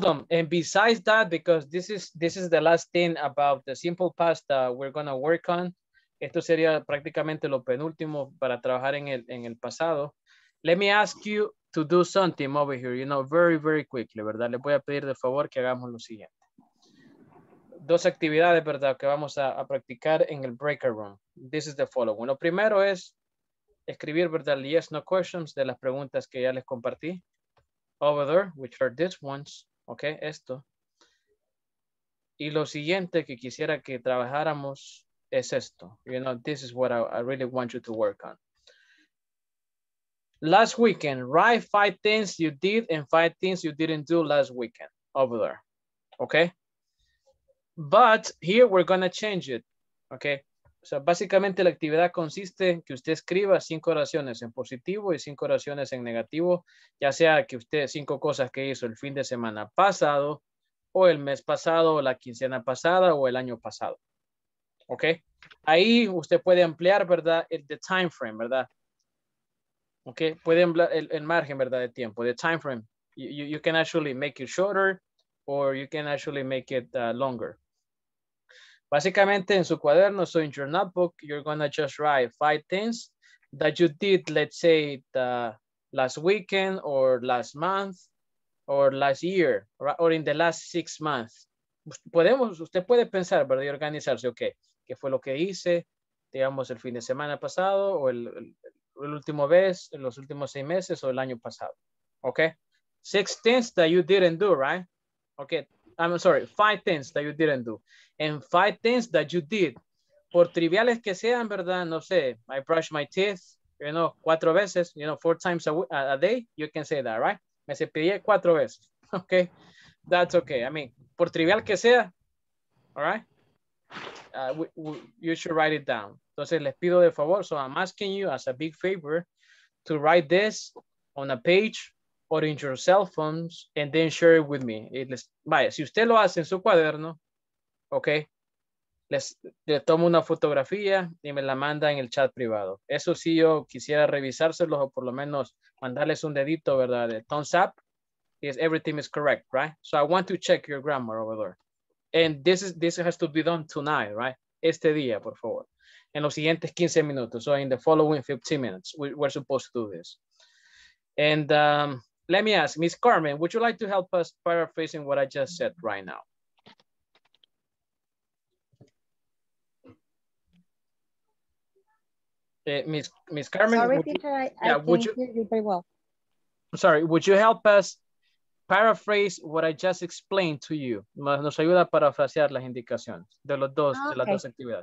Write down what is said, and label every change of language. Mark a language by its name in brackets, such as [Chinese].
[English] And besides that, because this is the last thing about the simple past that we're going to work on. [Spanish] Esto sería prácticamente lo penúltimo para trabajar en el pasado. [English] Let me ask you to do something over here, you know, very, very quickly, ¿verdad? [Spanish] Le voy a pedir de favor que hagamos lo siguiente. dos actividades, ¿verdad?, que vamos a practicar en el breakout room. [English] This is the following. [Spanish] Lo primero es escribir, ¿verdad?, el yes, no questions de las preguntas que ya les compartí. [English] Over there, which are these ones. [Spanish] Ok, esto. Y lo siguiente que quisiera que trabajáramos es esto. [English] You know, this is what I really want you to work on. Last weekend, write 5 things you did and 5 things you didn't do last weekend over there. Okay? But here we're going to change it. Okay? [Spanish] So básicamente la actividad consiste en que usted escriba 5 oraciones en positivo y 5 oraciones en negativo, ya sea que usted 5 cosas que hizo el fin de semana pasado, o el mes pasado, o la quincena pasada, o el año pasado. ¿Ok? Ahí usted puede ampliar, ¿verdad?, el the time frame, ¿verdad? ¿Ok? Puede ampliar el margen, ¿verdad?, de tiempo, the time frame. [English] You can actually make it shorter, or you can actually make it longer. [Spanish] Básicamente, en su cuaderno, [English] so in your notebook, you're going to just write 5 things that you did, let's say, the last weekend, or last month, or last year, or in the last 6 months. [Spanish] Podemos, usted puede pensar, ¿verdad?, y organizarse, ok, ¿qué fue lo que hice, digamos, el fin de semana pasado, o el último mes, en los últimos 6 meses, o el año pasado? [English] Ok, 6 things that you didn't do, right? Ok, I'm sorry, 5 things that you didn't do, and 5 things that you did. [Spanish] Por triviales que sean, ¿verdad?, no sé, [English] I brush my teeth, you know, 4 veces, you know, 4 times a day, you can say that, right? [Spanish] Me cepillé 4 veces. [English] Ok. That's ok. I mean, [Spanish] por trivial que sea. [English] All right. You should write it down. [Spanish] Entonces, les pido de favor. [English] So, I'm asking you as a big favor to write this on a page or in your cell phones and then share it with me. [Spanish] Vaya, si usted lo hace en su cuaderno, ok, le tomo una fotografía y me la manda en el chat privado. Eso sí, yo quisiera revisárselo o por lo menos mandarles un dedito, ¿verdad?, de thumbs up. [English] Yes, everything is correct, right? So I want to check your grammar over there. And this has to be done tonight, right? [Spanish] Este día, por favor. En los siguientes 15 minutos. [English] So in the following 15 minutes, we're supposed to do this. And let me ask, Miss Carmen, would you like to help us paraphrasing what I just said right now? Miss Carmen, sorry, would you I'm sorry, would you help us paraphrase what I just explained to you? [Spanish] Nos ayuda a parafrasear las indicaciones de los dos, okay, de las dos actividades.